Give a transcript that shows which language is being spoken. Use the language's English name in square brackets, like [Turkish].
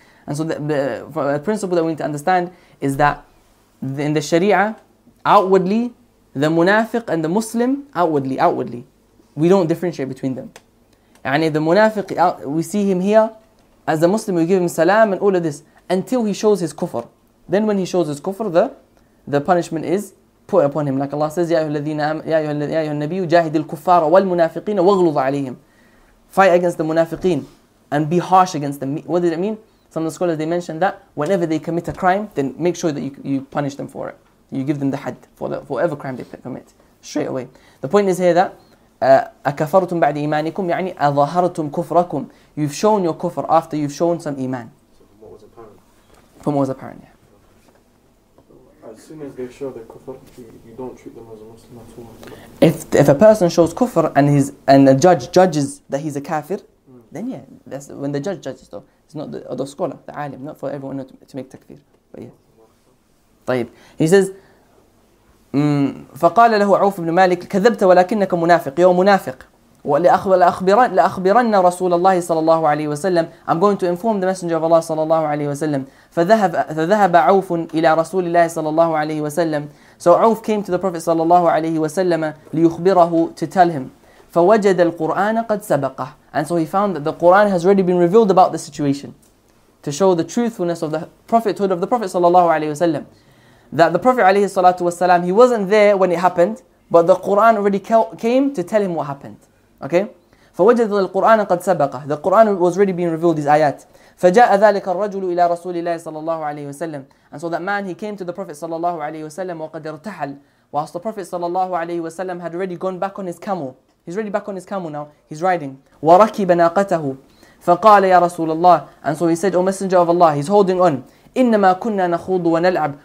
[English] And so the principle that we need to understand is that in the Sharia, outwardly, the munafiq and the Muslim, outwardly. We don't differentiate between them. [Arabic] يعني [English] the munafiq, we see him here as a Muslim, we give him salam and all of this, until he shows his kufr. Then when he shows his kufr, the punishment is put upon him. Like Allah says, [Arabic] يَا أَيُّهَا النَّبِيُّ جَاهِدِ الْكُفَّارَ وَالْمُنَافِقِينَ وَغْلُضَ عَلَيْهِمْ. [English] Fight against the munafiqeen and be harsh against them. What does it mean? Some of the scholars, they mentioned that whenever they commit a crime, then make sure that you punish them for it. You give them the had for whatever crime they commit straight away. The point is here that [Arabic] أَكَفَرْتُمْ بَعْدِ إِيمَانِكُمْ يعني أَظَهَرْتُمْ كُفْرَكُمْ. [English] You've shown your kufr after you've shown some iman. So from what was apparent? From what was apparent, yeah. As soon as they show their kufr, you don't treat them as a Muslim at all. If a person shows kufr and the judge judges that he's a kafir, then yeah, that's when the judge judges though. It's not the scholar, the alim, not for everyone to make takfir. But yeah. [Arabic] طيب. [English] He says, [Arabic] فقال له عوف بن مالك كذبت ولكنك منافق يوم منافق لأخبرن رسول الله صلى الله عليه وسلم. [English] I'm going to inform the messenger of Allah صلى الله عليه وسلم. [Arabic] فذهب عوف إلى رسول الله صلى الله عليه وسلم. [English] So Awf came to the Prophet صلى الله عليه وسلم [Arabic] ليخبره, [English] to tell him. [Arabic] فوجد القرآن قد سبقه. [English] And so he found that the Quran has already been revealed about the situation, to show the truthfulness of the prophethood of the Prophet صلى الله عليه وسلم, that the Prophet عليه الصلاة والسلام, he wasn't there when it happened, but the Quran already came to tell him what happened. Okay, [Arabic] فوجد القرآن قد سبقه. [English] The Quran was already being revealed, these ayat. [Arabic] فجاء ذلك الرجل إلى رسول الله صلى الله عليه وسلم. [English] And so that man, he came to the Prophet صلى الله عليه وسلم [Arabic] وقد ارتحل. [English] Whilst the Prophet صلى الله عليه وسلم had already gone back on his camel. He's already back on his camel now. He's riding. [Arabic] وركب ناقته. فقال يا رسول الله. [English] And so he said, O Messenger of Allah, he's holding on. [Arabic] إنما كنا نخوض ونلعب.